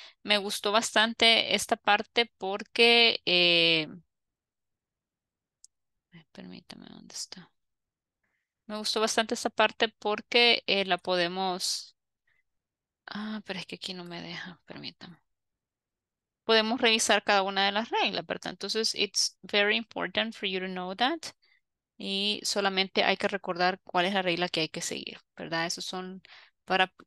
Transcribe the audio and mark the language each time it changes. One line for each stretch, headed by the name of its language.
Spanish: Me gustó bastante esta parte porque, permítame, ¿dónde está? Me gustó bastante esta parte porque la podemos, ah, pero es que aquí no me deja, permítame. Podemos revisar cada una de las reglas, ¿verdad? Entonces,
English: it's very important for you to know that.
Spanish: Y solamente hay que recordar cuál es la regla que hay que seguir, ¿verdad? Esos son para